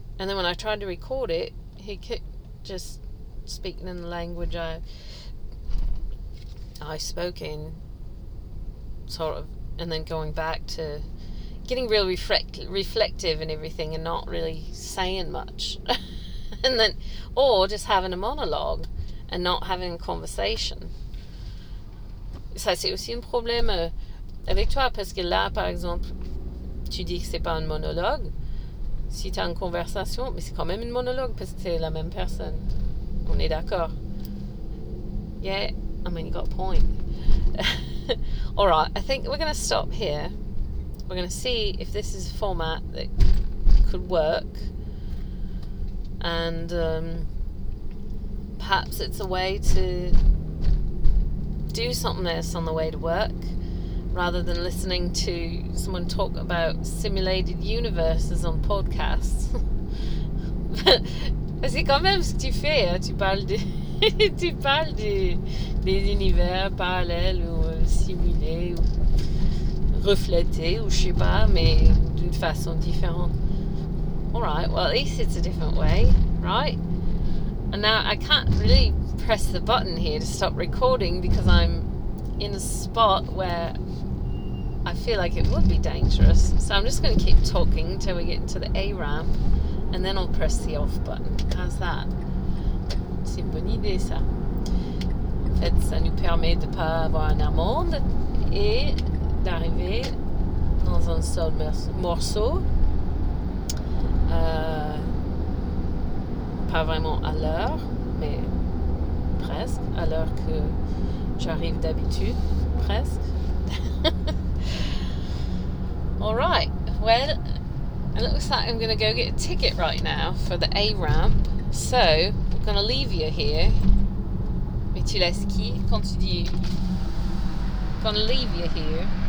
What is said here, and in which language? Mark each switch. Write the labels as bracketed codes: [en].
[en] And then when I tried to record it, he kept just speaking in the language I spoke in, sort of, and then going back to. Getting real reflective and everything and not really saying much. And then, or just having a monologue and not having a conversation. [fr] Ça, c'est aussi un problème avec toi, parce que là, par exemple, tu dis que c'est pas un monologue. Si t'as une conversation, mais c'est quand même un monologue parce que c'est la même personne. On est d'accord. [en] Yeah, I mean, you got a point. All right, I think we're going to stop here. We're going to see if this is a format that could work. And perhaps it's a way to do something else on the way to work rather than listening to someone talk about simulated universes on podcasts. [fr] Parce que quand même ce que tu fais, hein, tu parles des univers parallèles ou simulés ou reflété ou je sais pas, mais d'une façon différente. [en] All right, well, at least it's a different way, right? And now I can't really press the button here to stop recording because I'm in a spot where I feel like it would be dangerous. So I'm just going to keep talking until we get to the A ramp and then I'll press the off button. How's that? [fr] C'est une bonne idée, ça. En fait, ça nous permet de pas avoir une amende et d'arriver dans un seul morceau, pas vraiment à l'heure, mais presque, à l'heure que j'arrive d'habitude, presque. [en] All right, well, it looks like I'm going to go get a ticket right now for the A ramp, so I'm going to leave you here. [fr] Mais tu laisses qui quand tu dis [en] I'm going to leave you here.